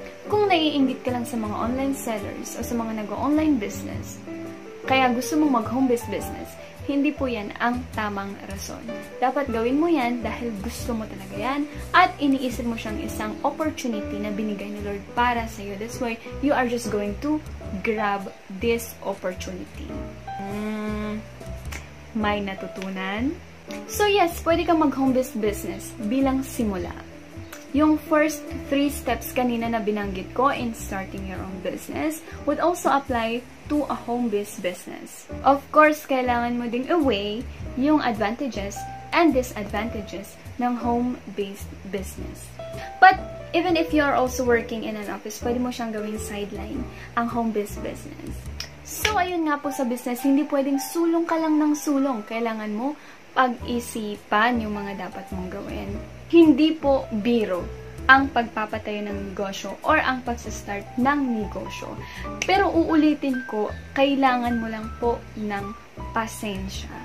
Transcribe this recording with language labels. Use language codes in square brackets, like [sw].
[tl] Kung naiinggit ka lang sa mga online sellers o sa mga nag-online business, kaya gusto mong mag-home-based business, hindi po yan ang tamang rason. Dapat gawin mo yan dahil gusto mo talaga yan at iniisip mo siyang isang opportunity na binigay ni Lord para sa iyo. [en] That's why you are just going to grab this opportunity. [tl] May natutunan? So yes, pwede kang mag-home-based business bilang simula. [en] Yung first 3 steps kanina na binanggit ko in starting your own business would also apply to a home-based business. [tl] Of course, kailangan mo ding away yung advantages and disadvantages ng home-based business. [en] But even if you are also working in an office, pwede mo siyang gawing sideline ang home-based business. [tl] So, ayun nga po sa business, hindi pwedeng sulong ka lang ng sulong. Kailangan mo pag-isipan yung mga dapat mong gawin. Hindi po biro ang pagpapatayo ng negosyo or ang pagsa-start ng negosyo. Pero uulitin ko, kailangan mo lang po ng pasensya.